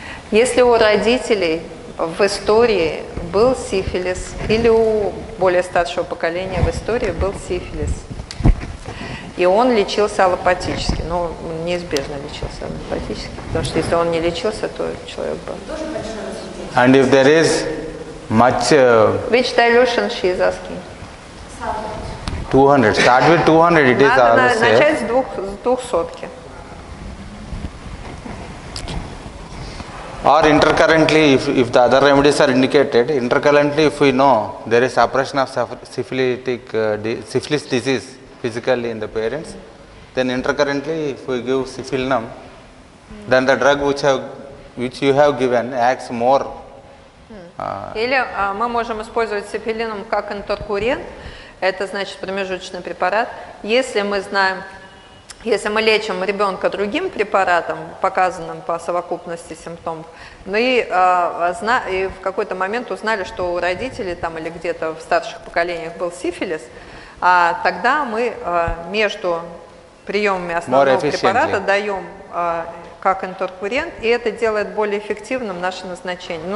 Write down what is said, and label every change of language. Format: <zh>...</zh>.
<ru>Если у родителей в истории был сифилис, или у более старшего поколения в истории был сифилис, и он лечился аллопатически, ну, неизбежно лечился аллопатически, потому что если он не лечился, то человек был.</ru> <en>And if there is much... Which dilution she is asking? 200. Start with 200. It is</en> <ru>надо начать с двухсотки.</ru> <en>Or intercurrently, if the other remedies are indicated, intercurrently if we know there is suppression of syphilitic syphilis disease physically in the parents, then intercurrently if we give syphilinum, then the drug which you have given acts more.</en> <ru>Или мы можем использовать сифилином как интеркурент, это значит промежуточный препарат. Если мы знаем, если мы лечим ребенка другим препаратом, показанным по совокупности симптомов, мы и в какой-то момент узнали, что у родителей там или где-то в старших поколениях был сифилис, а тогда мы между приемами основного препарата даем как интеркурент, и это делает более эффективным наше назначение.</ru>